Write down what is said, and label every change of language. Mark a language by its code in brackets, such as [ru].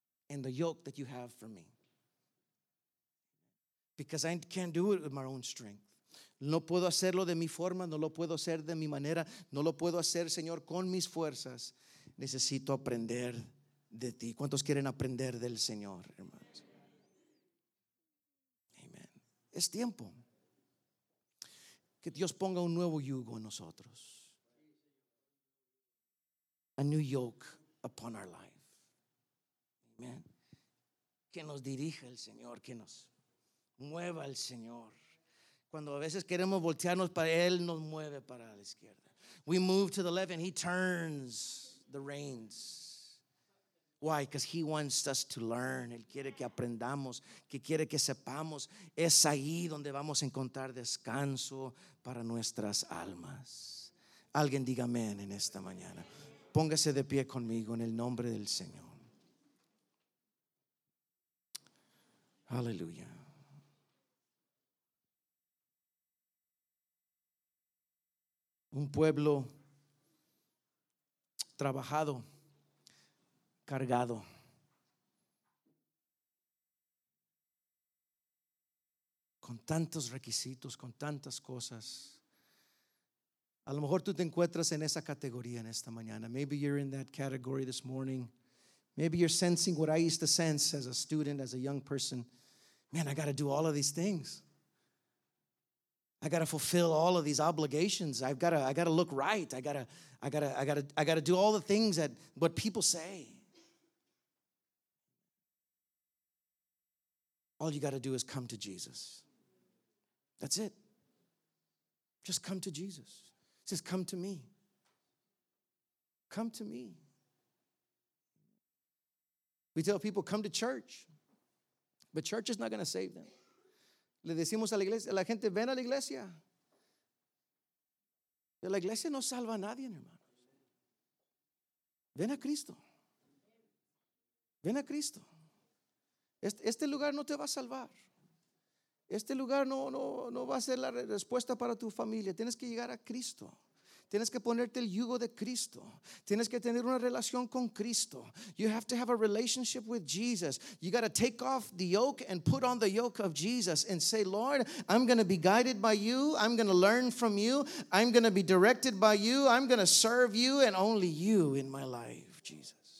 [en] And the yoke that you have for me. Because I can't do it with my own strength. [es] No puedo hacerlo de mi forma, no lo puedo hacer de mi manera, no lo puedo hacer, Señor, con mis fuerzas. Necesito aprender de ti. ¿Cuántos quieren aprender del Señor, hermanos? Amén. Es tiempo que Dios ponga un nuevo yugo en nosotros. [en] A new yoke upon our life. Amén. [es] Que nos dirija el Señor, que nos mueva el Señor. Cuando a veces queremos voltearnos para él, nos mueve para la izquierda. [en] We move to the left and he turns the reins. Why? Because he wants us to learn. [es] Él quiere que aprendamos, que quiere que sepamos. Es ahí donde vamos a encontrar descanso para nuestras almas. Alguien diga amén en esta mañana. Póngase de pie conmigo en el nombre del Señor. Aleluya. Un pueblo trabajado, cargado. Con tantos requisitos, con tantas cosas. A lo mejor tú te encuentras en esa categoría en esta mañana. [en] Maybe you're in that category this morning. Maybe you're sensing what I used to sense as a student, as a young person. Man, I got to do all of these things. I got to fulfill all of these obligations. I got to look right. I got to do all the things that what people say. All you got to do is come to Jesus. That's it. Just come to Jesus. Just come to me. Come to me. We tell people come to church. But church is not going to save them. [es] Le decimos a la iglesia, a la gente, ven a la iglesia. La iglesia no salva a nadie, hermanos. Ven a Cristo. Ven a Cristo. Este lugar no te va a salvar. Este lugar no va a ser la respuesta para tu familia. Tienes que llegar a Cristo. Tienes que ponerte el yugo de Cristo. Tienes que tener una relación con Cristo. [en] You have to have a relationship with Jesus. You got to take off the yoke and put on the yoke of Jesus and say, Lord, I'm going to be guided by you. I'm going to learn from you. I'm going to be directed by you. I'm going to serve you and only you in my life, Jesus.